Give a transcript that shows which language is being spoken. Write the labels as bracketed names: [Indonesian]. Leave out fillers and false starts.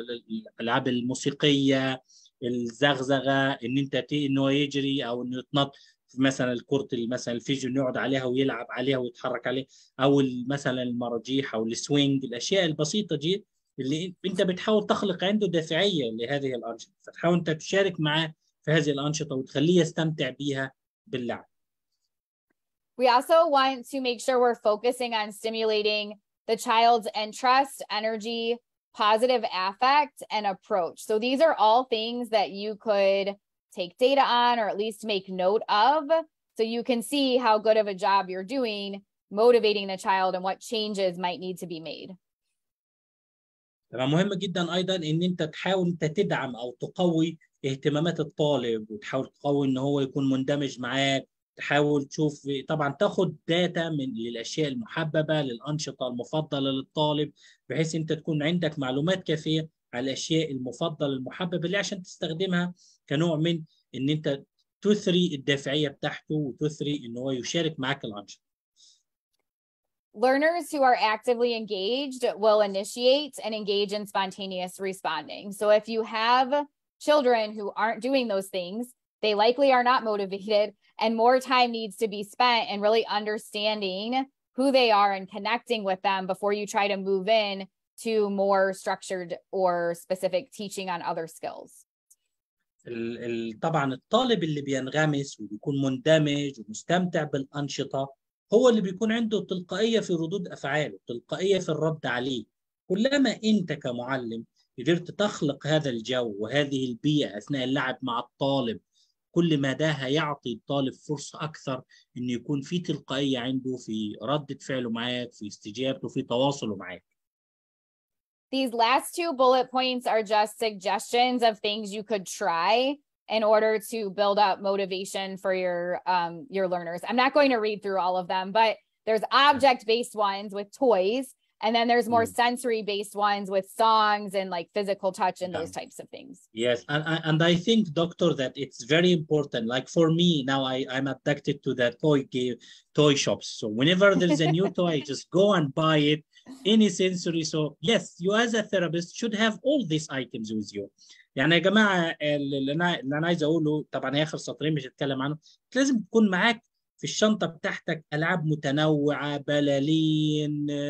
[Arabic] الألعاب الموسيقية الزغزغة إن أنت إنه يجري أو إنه يتنط مثلا الكرة مثلا الفيجو يقعد عليها ويلعب عليها ويتحرك عليها أو مثلا المرجيح أو السوينج الأشياء البسيطة دي اللي أنت بتحاول تخلق عنده دافعية لهذه الأنشطة فتحاول أنت تشارك معاه في هذه الأنشطة وتخليه يستمتع بيها باللعب. [English] We also want to make sure we're focusing on stimulating the child's interest, energy, positive affect, and approach. So these are all things that you could take data on or at least make note of so you can see how good of a job you're doing motivating the child and what changes might need to be made. [Arabic] تمام مهم جدا ايضا ان انت تحاول انت تدعم او تقوي اهتمامات الطالب وتحاول تقوي ان هو يكون مندمج معاك تحاول تشوف طبعا تاخد داتا من للاشياء المحببه للانشطه المفضله للطالب بحيث انت تكون عندك معلومات كافيه على الاشياء المفضله المحببه اللي عشان تستخدمها كنوع من ان انت تثري الدافعيه بتاعته وتثري ان هو يشارك معاك الانشطه. [English] Learners who are actively engaged will initiate and engage in spontaneous responding. So if you have children who aren't doing those things, they likely are not motivated and more time needs to be spent in really understanding who they are and connecting with them before you try to move in to more structured or specific teaching on other skills. [Arabic] طبعا الطالب اللي بينغمس وبيكون مندمج ومستمتع بالأنشطة هو اللي بيكون عنده تلقائية في ردود أفعاله تلقائية في الرد عليه كلما أنت كمعلم قدرت تخلق هذا الجو وهذه البيئة أثناء اللعب مع الطالب كل ما ده هيعطي الطالب فرصة أكثر أن يكون في تلقائية عنده في ردة فعله معاك في استجابته في تواصله معاك. [English] These last two bullet points are just suggestions of things you could try in order to build up motivation for your learners. I'm not going to read through all of them, but there's object-based ones with toys, and then there's more sensory-based ones with songs and like physical touch and those types of things. Yes, and I think, Doctor, that it's very important. Like for me, now I'm addicted to that toy shops. So whenever there's a new toy, just go and buy it. Any sensory. So yes, you as a therapist should have all these items with you. [Arabic] يعني يا جماعة اللي أنا عايز أقوله طبعا هي آخر سطرين مش هتكلم عنه لازم تكون معاك في الشنطة بتاعتك ألعاب متنوعة بلالين